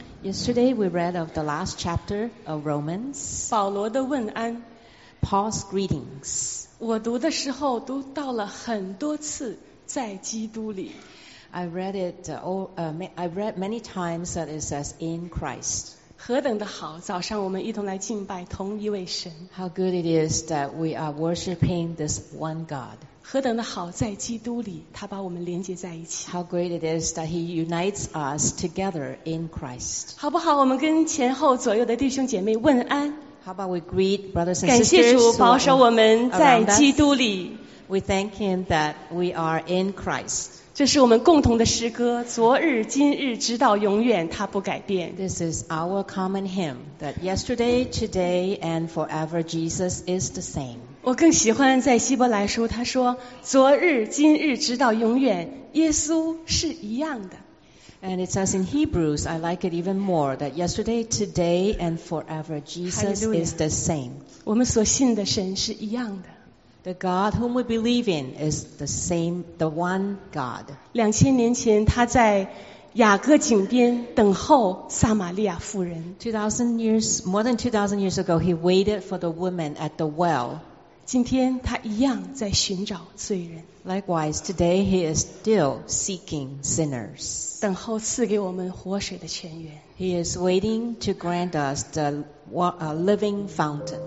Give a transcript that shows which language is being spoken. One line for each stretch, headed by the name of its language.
English: Yesterday we read of the last chapter of Romans.
Chinese: 保罗的问安。
English: Paul's greetings.
Chinese: 我读的时候读到了很多次在基督里。
English: I read many times that it says in Christ.
Chinese: 何等的好，早上我们一同来敬拜同一位神。
English: How good it is that we are worshiping this one God.
Chinese: 何等的好，在基督里，他把我们连接在一起。
English: How great it is that He unites us together in Christ.
Chinese: 好不好？我们跟前后左右的弟兄姐妹问安。
English: How about we greet brothers and sisters?
Chinese: 感谢主保守我们在基督里。
English: We thank Him that we are in Christ.
Chinese: 这是我们共同的诗歌，昨日、今日、直到永远，他不改变。
English: This is our common hymn that yesterday, today, and forever Jesus is the same.
Chinese: 我更喜欢在希伯来书，他说：“昨日、今日、直到永远，耶稣是一样的。”
English: And it says in Hebrews, I like it even more that yesterday, today, and forever, Jesus is the same.
Chinese: 我们所信的神是一样的。
English: The God whom we believe in is the same, the one God.
Chinese: 2000年前，他在雅各井边等候撒玛利亚妇人。
English: More than 2000 years ago, he waited for the woman at the well.
Chinese: 今天他一样在寻找罪人。
English: Likewise, today he is still seeking sinners.
Chinese: 等候赐给我们活水的泉源。
English: He is waiting to grant us the living fountain.